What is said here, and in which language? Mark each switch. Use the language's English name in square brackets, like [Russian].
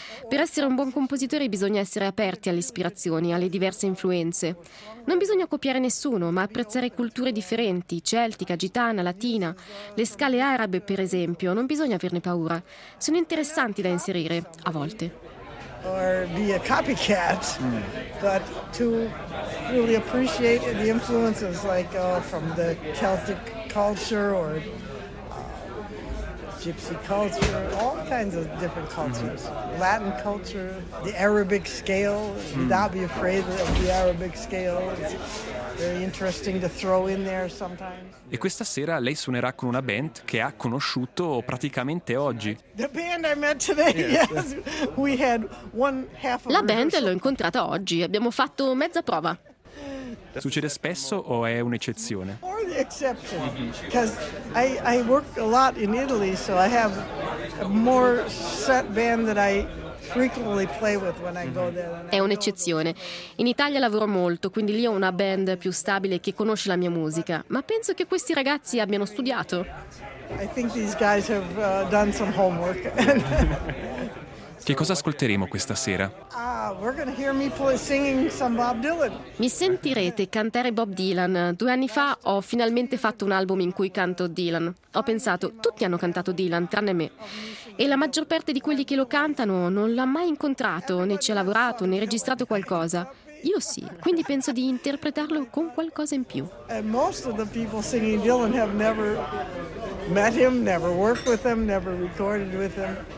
[Italian] Per essere un buon compositore bisogna essere aperti alle ispirazioni, alle diverse influenze. Non bisogna copiare nessuno, ma apprezzare culture differenti, celtica, gitana, latina, le scale arabe per esempio, non bisogna averne paura. Sono interessanti da inserire, a volte. [English] Or be a copycat, but to really appreciate the influences like from the Celtic culture or Gypsy culture, all kinds of different cultures. Mm-hmm. Latin culture, the Arabic scale, without be afraid of the Arabic scale. It's very interesting to throw in there sometimes. [Italian] E questa sera lei suonerà con una band che ha conosciuto praticamente oggi. [English] The band I met today, yes. We had one half of [Italian] La band l'ho incontrata oggi, abbiamo fatto mezza prova. Succede spesso o è un'eccezione? [English] More the exception, because I work a lot in Italy, so I have a more set band that I frequently play with when I go there. [Italian] È un'eccezione. In Italia lavoro molto, quindi lì ho una band più stabile che conosce la mia musica. Ma penso che questi ragazzi abbiano studiato. [English] I think these guys have done some homework. [Italian] Che cosa ascolteremo questa sera? [English] We're gonna hear me singing some Bob Dylan. [Italian] Mi sentirete cantare Bob Dylan. 2 anni fa ho finalmente fatto un album in cui canto Dylan. Ho pensato, tutti hanno cantato Dylan, tranne me. E la maggior parte di quelli che lo cantano non l'ha mai incontrato, né ci ha lavorato, né registrato qualcosa. Io sì, quindi penso di interpretarlo con qualcosa in più. [English] And most of the people singing Dylan have never met him, never worked with him, never recorded with him.